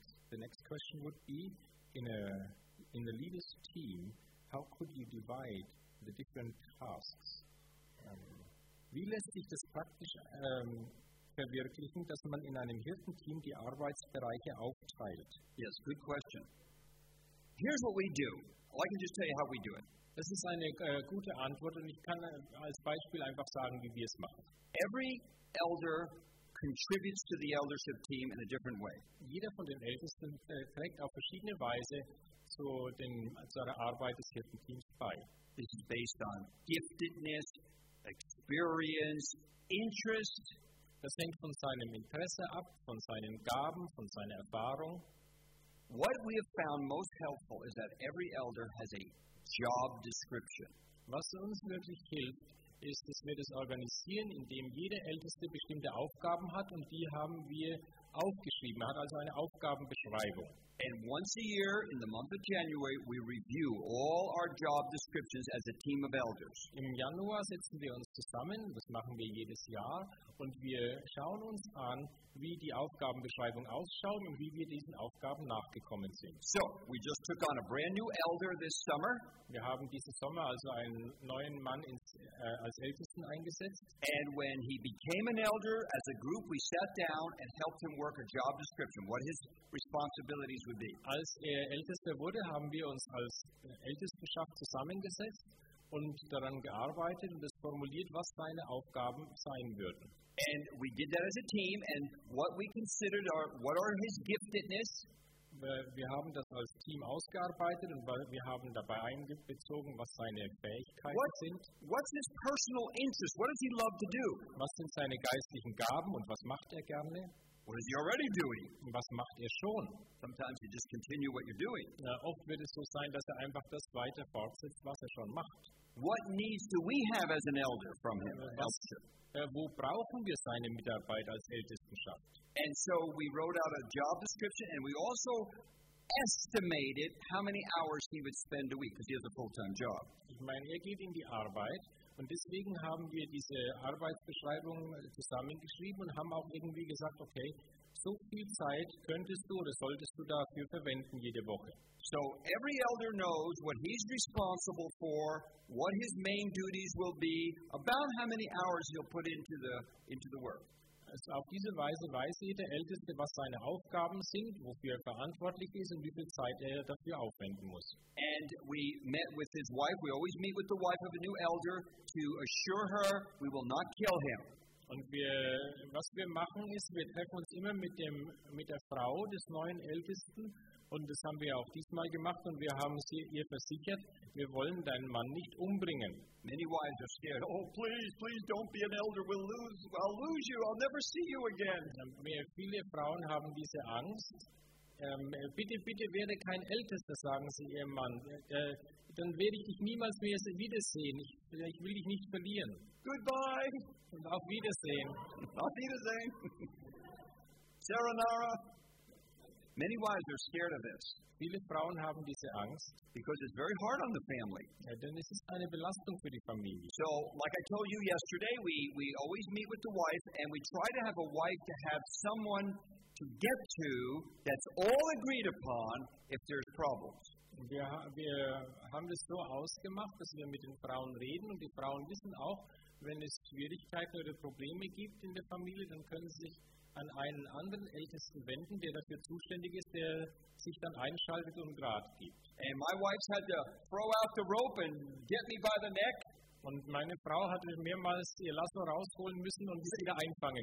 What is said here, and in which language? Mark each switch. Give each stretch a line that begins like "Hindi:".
English: The next question would be, in a leader's team, how could you divide the different tasks?
German: Wie lässt sich das praktisch verwirklichen, dass man in einem Hirtenteam die Arbeitsbereiche aufteilt?
English: Yes, good question. Here's what we do. I can just tell you how we do it.
German: Das ist eine gute Antwort und ich kann als Beispiel einfach sagen, wie wir es machen.
English: Every elder contributes to the eldership team in a different way.
German: Jeder von den Ältesten trägt auf verschiedene Weise zur Arbeit des Hirtenteams bei.
English: This is based on giftedness, experience, interest.
German: Das hängt von seinem Interesse ab, von seinen Gaben, von seiner Erfahrung.
English: What we have found most helpful is that every elder has a job description.
German: Was uns wirklich hilft, ist, dass wir das organisieren, indem jeder Älteste bestimmte Aufgaben hat und die haben wir aufgeschrieben. Er hat also eine Aufgabenbeschreibung.
English: And once a year in the month of January we review all our job descriptions as a team of elders.
German: Im Januar setzen wir uns zusammen, das machen wir jedes Jahr, und wir schauen uns an, wie die Aufgabenbeschreibung ausschaut und wie wir diesen Aufgaben nachgekommen sind.
English: So, we just took on a brand new elder this summer.
German: Wir haben diesen Sommer also einen neuen Mann als Ältesten eingesetzt.
English: And when he became an elder, as a group we sat down and helped him work a job description, what his responsibilities would be.
German: Als er Ältester wurde, haben wir uns als Ältestenschaft zusammengesetzt und daran gearbeitet und es formuliert, was seine Aufgaben sein würden.
English: And we did that as a team, and what we considered are what are his giftedness.
German: wir haben das als Team ausgearbeitet und wir haben dabei einbezogen, was seine Fähigkeiten sind.
English: What's his personal interest? What does he love to do?
German: Was sind seine geistlichen Gaben und was macht er gerne?
English: What is he already doing?
German: Was macht er schon?
English: Sometimes you just continue what you're doing.
German: Oft wird es so sein, dass er einfach das weiter fortsetzt, was er schon macht.
English: What needs do we have as an elder from him?
German: Wo brauchen wir seine Mitarbeit als Ältestenschaft?
English: And so we wrote out a job description and we also estimated how many hours he would spend a week, because he has a full-time job.
German: Ich meine, er geht in die Arbeit. Und deswegen haben wir diese Arbeitsbeschreibung zusammengeschrieben und haben auch irgendwie gesagt, okay, so viel Zeit könntest du oder solltest du dafür verwenden jede Woche.
English: So every elder knows what he's responsible for, what his main duties will be, about how many hours he'll put into the work.
German: Also auf diese Weise weiß jeder Älteste, was seine Aufgaben sind, wofür er verantwortlich ist und wie viel Zeit er dafür aufwenden muss.
English: And we met with his wife. We always meet with the wife of a new elder to assure her we will not kill him.
German: Und was wir machen ist, wir treffen uns immer mit der Frau des neuen Ältesten und das haben wir auch diesmal gemacht und wir haben sie ihr versichert, wir wollen deinen Mann nicht umbringen.
English: Many wives are scared. Oh, please, please don't be an elder. I'll lose you. I'll never see you again.
German: Viele Frauen haben diese Angst. Bitte werde kein Ältester, sagen sie ihrem Mann. Dann werde ich dich niemals mehr wiedersehen. Ich will dich nicht verlieren.
English: Goodbye.
German: Und auf Wiedersehen. Auf Wiedersehen. Saranara.
English: Many wives are scared of this.
German: Viele Frauen haben diese Angst.
English: Because it's very hard on the family.
German: Ja, denn es ist eine Belastung für die Familie.
English: So, like I told you yesterday, we always meet with the wife and we try to have a wife to have someone to get to that's all agreed upon if there's problems.
German: Wir haben das so ausgemacht, dass wir mit den Frauen reden und die Frauen wissen auch, wenn es Schwierigkeiten oder Probleme gibt in der Familie, dann können sie sich an einen anderen Ältesten wenden, der dafür zuständig ist, der sich dann einschaltet und Rat gibt.
English: And my wife had to throw out the rope and get me by the neck.
German: Und meine Frau hatte mehrmals ihr Lasso rausholen müssen und sie wieder einfangen.